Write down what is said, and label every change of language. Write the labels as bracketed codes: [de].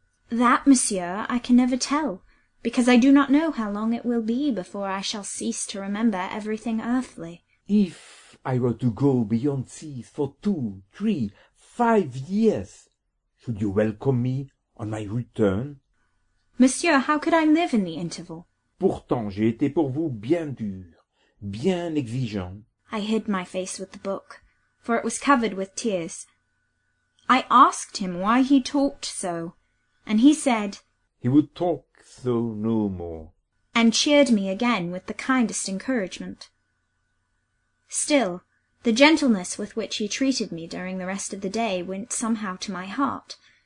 [en] "That, monsieur, I can never tell, because I do not know how long it will be before I shall cease to remember everything earthly." "If I were to go beyond seas for 2, 3, 5 years, should you welcome me on my return?" "Monsieur, how could I live in the interval?" [fr] "Pourtant, j'ai été pour vous bien dur, bien exigeant." [en] I hid my face with the book, for it was covered with tears. I asked him why he talked so, and he said, "He would talk so no more," and cheered me again with the kindest encouragement. Still, the gentleness with which he treated me during the rest of the day went somehow to my heart.